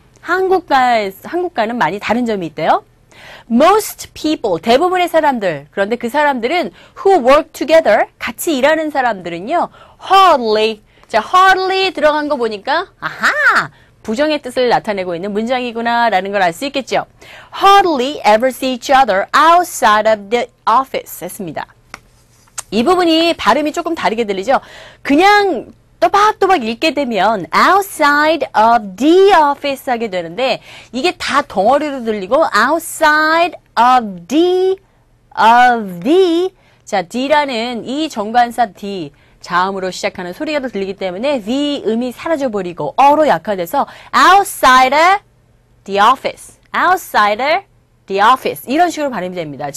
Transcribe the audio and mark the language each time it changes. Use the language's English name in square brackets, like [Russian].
[Korean] 한국과는 많이 다른 점이 있대요. [English] Most people, [Korean] 대부분의 사람들, 그런데 그 사람들은 [English] who work together, [Korean] 같이 일하는 사람들은요, hardly, 자, hardly 들어간 거 보니까, 아하! 부정의 뜻을 나타내고 있는 문장이구나라는 걸 알 수 있겠죠. [English] Hardly ever see each other outside of the office 했습니다. [Korean] 이 부분이 발음이 조금 다르게 들리죠. 그냥 또박또박 읽게 되면 [English] outside of the office [Korean] 하게 되는데 이게 다 덩어리로 들리고 [English] outside of the, of the [Korean] 자, D라는 이 정관사 D 자음으로 시작하는 소리가 더 들리기 때문에 the 음이 사라져버리고 어로 약화돼서 [English] outside the office, outside the office [Korean] 이런 식으로 발음이 됩니다.